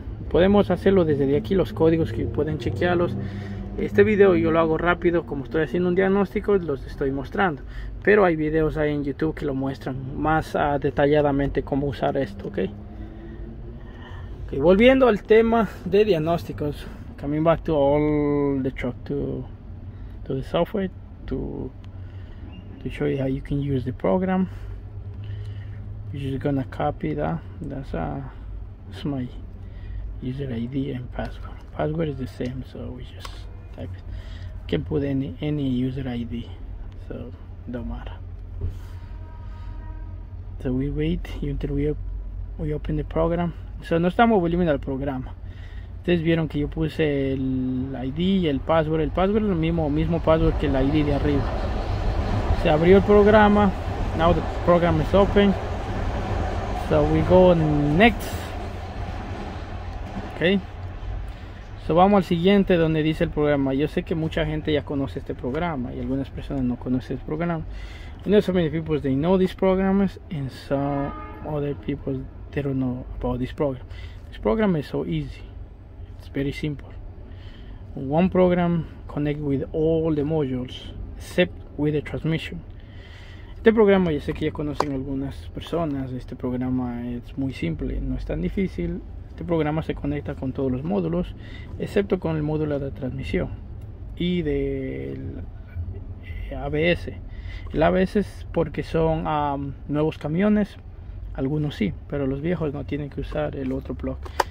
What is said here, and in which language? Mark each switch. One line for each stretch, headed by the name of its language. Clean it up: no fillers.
Spanish: Podemos hacerlo desde aquí, los códigos que pueden chequearlos. Este video yo lo hago rápido, como estoy haciendo un diagnóstico, los estoy mostrando. Pero hay videos ahí en YouTube que lo muestran más detalladamente cómo usar esto, ¿ok? Okay, volviendo al tema de diagnósticos.
English: Coming back to all the truck, to the software, to show you how you can use the program. You're just gonna copy that. That's my user ID and password. Password is the same, so we just type it. Can put any user ID, so don't matter. So we wait until we open the program.
Spanish: So no estamos volviendo al programa. Ustedes vieron que yo puse el ID y el password. El password es el mismo password que el ID de arriba. Se abrió el programa.
English: Now the program is open. So we go next. Okay.
Spanish: So vamos al siguiente donde dice el programa. Yo sé que mucha gente ya conoce este programa y algunas personas no conocen este programa.
English: You know, so many people they know these programs and some other people they don't know about this program. This program is so easy. It's very simple. One program connect with all the modules except with the transmission.
Spanish: Este programa ya sé que ya conocen algunas personas. Este programa es muy simple, no es tan difícil. Este programa se conecta con todos los módulos, excepto con el módulo de transmisión y del ABS. El ABS es porque son nuevos camiones, algunos sí, pero los viejos no tienen que usar el otro bloque.